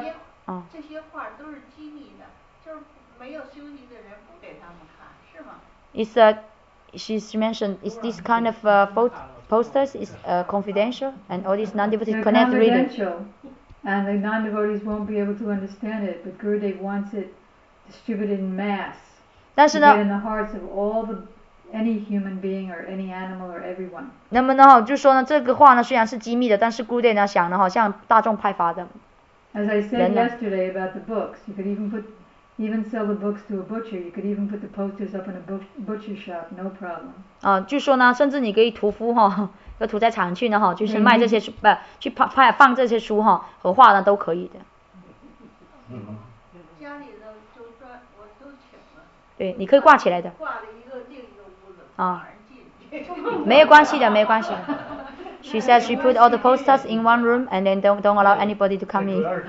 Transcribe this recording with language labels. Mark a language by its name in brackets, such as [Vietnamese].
[Chinese] 这些画都是机密的，就是没有修行的人不给他们看，是吗？ [English] It's she's mentioned, is this kind of posters is confidential and all these non-devotees cannot read it. They're confidential and the non-devotees won't be able to understand it, but Gurudev wants it distributed in mass to get in the hearts of all the, any human being or any animal or everyone. [Chinese] 那么呢就说呢这个话呢虽然是机密的，但是 Gurudev 呢想呢向大众派发的。 [English] As I said yesterday about the books, you could even put Even sell the books to a butcher. You could even put the posters up in a butcher shop. No problem. [Chinese] 啊，就说呢，甚至你可以屠夫要屠宰场去呢就是卖这些书，不去拍放这些书和画呢都可以的。家里的都我都请了。对，你可以挂起来的。挂了一个另一个屋啊，没有关系的，没有关系。 [English] She said she put all the posters in one room and then don't allow anybody to come in.